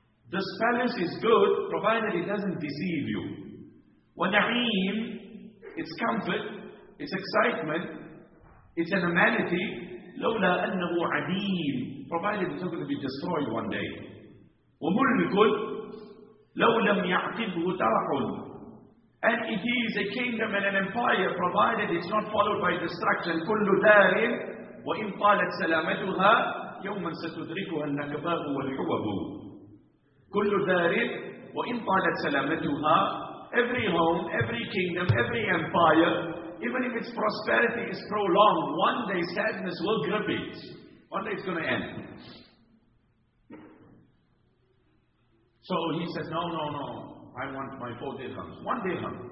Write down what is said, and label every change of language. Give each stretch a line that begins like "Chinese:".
English: This palace is good, provided it doesn't deceive you. ونعيم, it's comfort, it's excitement, it's an amenity.
Arabic: لولا أنه عديم,
English: provided it's not going to be destroyed one day.
Arabic: وملك لو لم يعقبه ترح.
English: And it is a kingdom and an empire, provided it's not followed by destruction.
Arabic: كل دار وإن طالت سلامتها يوما ستدركها النكباء والحبب. كل دار وإن طالت سلامتها.
English: Every home, every kingdom, every empire, even if its prosperity is prolonged, one day sadness will grip it. One day it's going to end. So he said, no. I want my 4 dirhams. 1 dirham.